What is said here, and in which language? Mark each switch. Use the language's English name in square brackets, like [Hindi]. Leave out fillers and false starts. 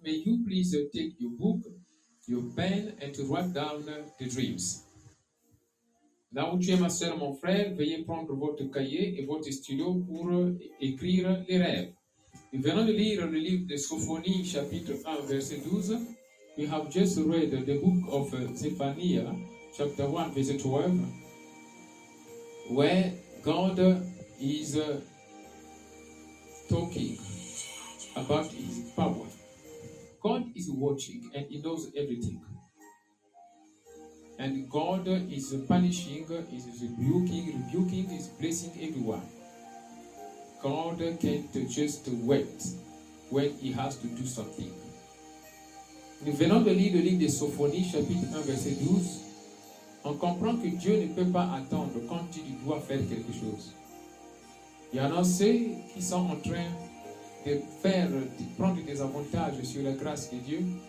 [English] May you please take your book, your pen, and to write down the dreams. [French] Là où tu es, ma soeur, mon frère, veuillez prendre votre cahier et votre stylo pour écrire les rêves. Nous venons de lire le livre de Sophonie, chapitre 1, verset 12. [English] We have just read the book of Zephaniah, chapter 1, verset 12, where God is talking about his power. God is watching and he knows everything. And God is punishing, is rebuking, is blessing everyone. God can't just wait when he has to do something. [French] Nous venons de lire le livre de Sophonie, chapitre 1, verset 12. On comprend que Dieu ne peut pas attendre quand il doit faire quelque chose. Il y en a ceux qui sont en train de faire, de prendre des avantages sur la grâce de Dieu.